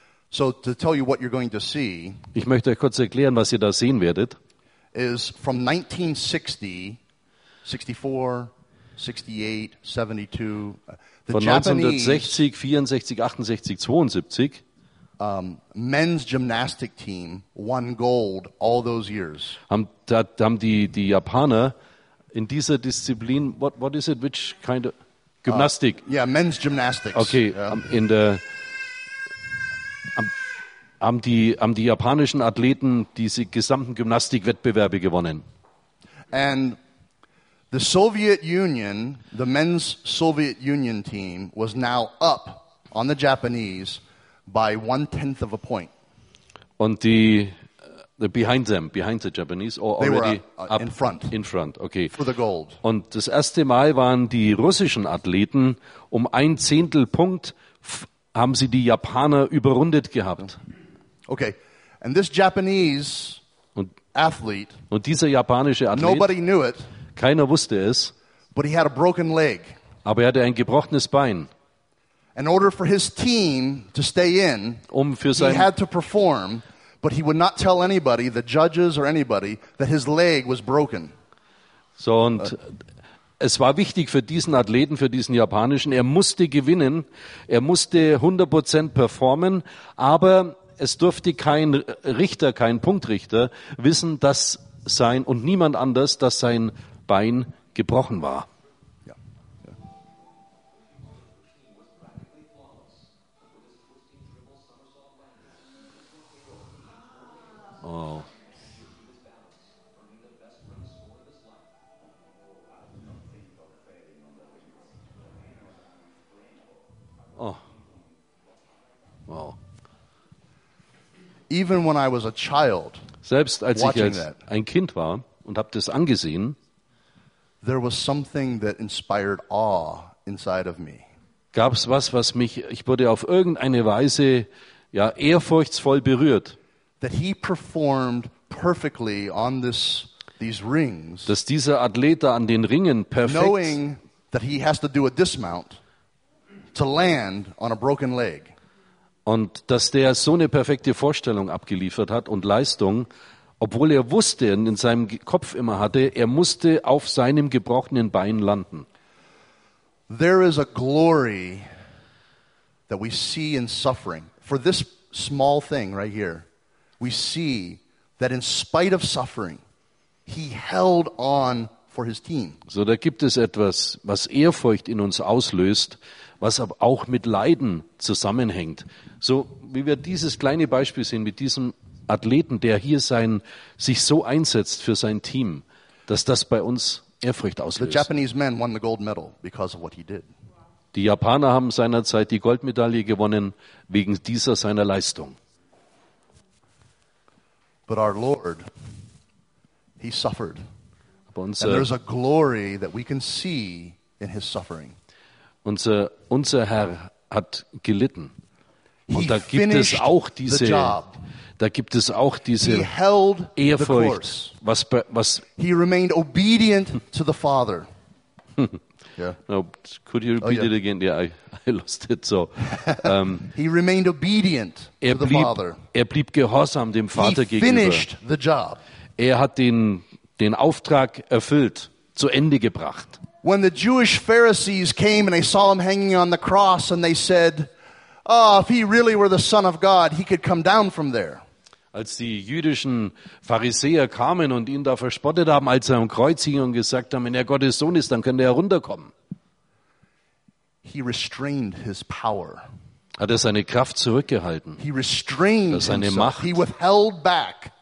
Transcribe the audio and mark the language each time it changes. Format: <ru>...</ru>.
<en>So to tell you what you're going to see,</en> <de>ich möchte euch kurz erklären, was ihr da sehen werdet.</de> <en>Is from 1960, 64, 68, 72.</en> <de>Von 1960, 64, 68, 72.</de> <en>Men's gymnastic team won gold all those years.</en> <de>Haben die Japaner in dieser Disziplin,</de> <en>what is it, which kind of gymnastic? Yeah, men's gymnastics.</en> <de>Okay, in der haben die japanischen Athleten diese gesamten Gymnastikwettbewerbe gewonnen.</de> <en>And the Soviet Union, the men's Soviet Union team was now up on the Japanese by 1/10 of a point.</en> <de>Und</de> <en>the behind the Japanese or they already were up, in front, okay. For the gold.</en> <de>Und das erste Mal waren die russischen Athleten um 1/10 Punkt haben sie die Japaner überrundet gehabt.</de> <en>Okay. And this Japanese athlete.</en> <de>Und dieser japanische Athlet.</de> <en>Nobody knew it.</en> <de>Keiner wusste es.</de> <en>But he had a broken leg.</en> <de>Aber er hatte ein gebrochenes Bein.</de> <en>In order for his team to stay in, he had to perform, but he would not tell anybody, the judges or anybody, that his leg was broken.</en> <de>So und es war wichtig für diesen Athleten, für diesen Japanischen, er musste gewinnen, er musste 100% performen, aber es durfte kein Richter, kein Punktrichter wissen, dass sein, und niemand anders, dass sein Bein gebrochen war. Oh.</de> <en>Even when I was a child,</en> <de>selbst als ich als ein Kind war und habe das angesehen,</de> <en>there was something that inspired awe inside of me.</en> <de>Gab's was, was mich, ich wurde auf irgendeine Weise ja ehrfurchtsvoll berührt.</de> <en>That he performed perfectly on these rings.</en> <de>Dass dieser Athlet da an den Ringen perfekt.</de> <en>Knowing that he has to do a dismount to land on a broken leg.</en> <de>Und dass der so eine perfekte Vorstellung abgeliefert hat und Leistung, obwohl er wusste und in seinem Kopf immer hatte, er musste auf seinem gebrochenen Bein landen.</de> <en>There is a glory that we see in suffering. For this small thing right here, we see that in spite of suffering, he held on for his team.</en> <de>So, da gibt es etwas, was Ehrfurcht in uns auslöst, was aber auch mit Leiden zusammenhängt. So, wie wir dieses kleine Beispiel sehen mit diesem Athleten, der hier sich so einsetzt für sein Team, dass das bei uns Ehrfurcht auslöst.</de> <en>The Japanese men won the gold medal because of what he did.</en> <de>Die Japaner haben seinerzeit die Goldmedaille gewonnen wegen dieser seiner Leistung.</de> <en>But our Lord, he suffered.</en> <de>Unser,</de> <en>and there's a glory that we can see in his suffering.</en> <de>Unser Herr hat gelitten. Und da gibt es auch diese Ehrfurcht, was</de> <en>he remained obedient to the Father. Yeah. No, could you repeat it again? Yeah, I lost it. So, he remained obedient to the Father.</en> <de>Er blieb gehorsam dem Vater gegenüber.</de> <en>He finished the job.</en> <de>Er hat den Auftrag erfüllt, zu Ende gebracht.</de> <en>When the Jewish Pharisees came and they saw him hanging on the cross and they said, oh, if he really were the Son of God, he could come down from there.</en> <de>Als die jüdischen Pharisäer kamen und ihn da verspottet haben, als er am Kreuz hing und gesagt haben, wenn er Gottes Sohn ist, dann könnte er runterkommen.</de> <en>He restrained his power.</en> <de>Hat er seine Kraft zurückgehalten.</de> <en>He restrained</en> <de>seine Macht.</de> <en>He withheld back.</en>